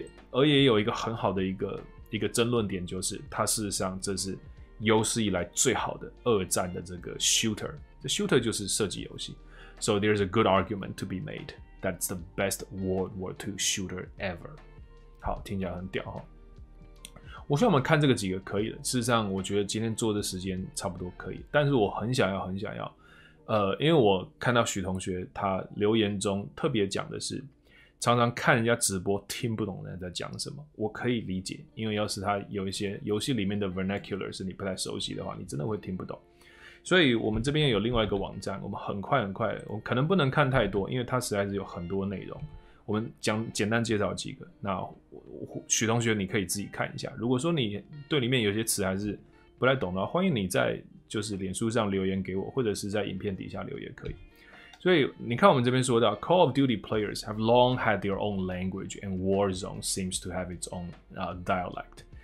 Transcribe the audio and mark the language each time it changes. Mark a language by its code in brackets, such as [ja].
[zh] 而也有一个很好的一个争论点，就是它事实上这是。有史以来最好的二战的这个 shooter， 这 shooter 就是射击游戏。 [en] So there's a good argument to be made that's the best World War II shooter ever。 [zh] 好，听起来很屌哈。我希望我们看这个几个可以了。事实上，我觉得今天做的时间差不多可以，但是我很想要，因为我看到许同学他留言中特别讲的是。常常看人家直播听不懂人家在讲什么，我可以理解，因为要是他有一些游戏里面的 vernacular 是你不太熟悉的话，你真的会听不懂。所以我们这边有另外一个网站，我们很快，我可能不能看太多，因为它实在是有很多内容。我们讲简单介绍几个，那许同学你可以自己看一下。如果说你对里面有些词还是不太懂的话，欢迎你在就是脸书上留言给我，或者是在影片底下留言可以。所以你看我们这边说到 [en] Call of Duty players have long had their own language and Warzone seems to have its own dialect.